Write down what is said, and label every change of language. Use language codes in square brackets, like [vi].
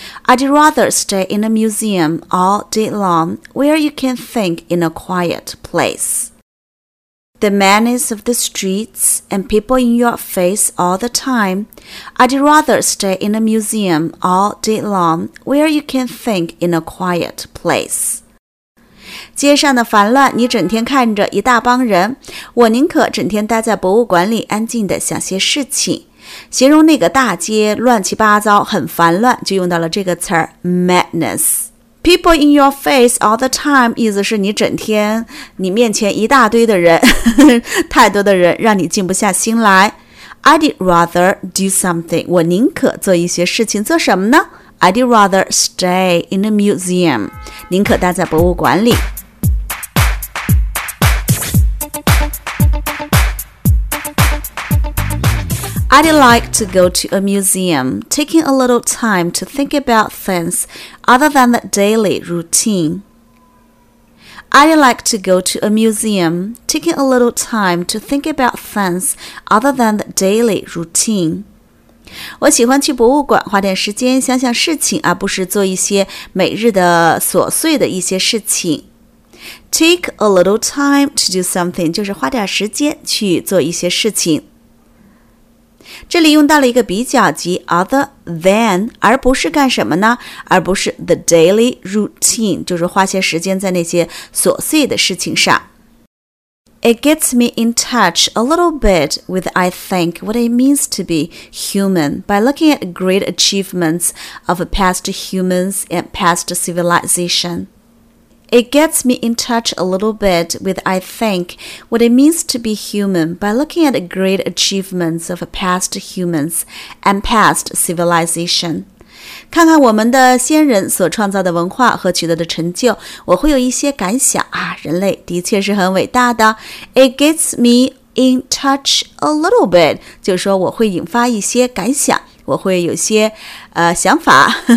[en] I'd rather stay in a museum all day long where you can think in a quiet place. The madness of the streets and people in your face all the time. I'd rather stay in a museum all day long where you can think in a quiet place. [zh] 街上的烦乱，你整天看着一大帮人，我宁可整天待在博物馆里安静地想些事情。形容那个大街乱七八糟，很烦乱，就用到了这个词儿 madness。 [en] People in your face all the time, [zh] 意思是你整天，你面前一大堆的人，太多的人让你静不下心来。 [en] I'd rather do something, [zh] 我宁可做一些事情，做什么呢？ [en] I'd rather stay in a museum, [zh] 宁可待在博物馆里。 [en] I'd like to go to a museum, taking a little time to think about things other than the daily routine. I'd like to go to a museum, taking a little time to think about things other than the daily routine. [zh] 我喜欢去博物馆，花点时间想想事情，而不是做一些每日的琐碎的一些事情。 [en] Take a little time to do something, [zh] 就是花点时间去做一些事情。这里用到了一个比较级 other than, 而不是干什么呢？而不是 [en] the daily routine, [zh] 就是花些时间在那些琐碎的事情上。 [en] It gets me in touch a little bit with, I think, what it means to be human by looking at great achievements of past humans and past civilization. It gets me in touch a little bit with, I think, what it means to be human by looking at the great achievements of past humans and past civilization. [zh] 看看我们的先人所创造的文化和取得的成就，我会有一些感想啊，人类的确是很伟大的。 [en] It gets me in touch a little bit, [zh] 就是说我会引发一些感想，我会有些想法。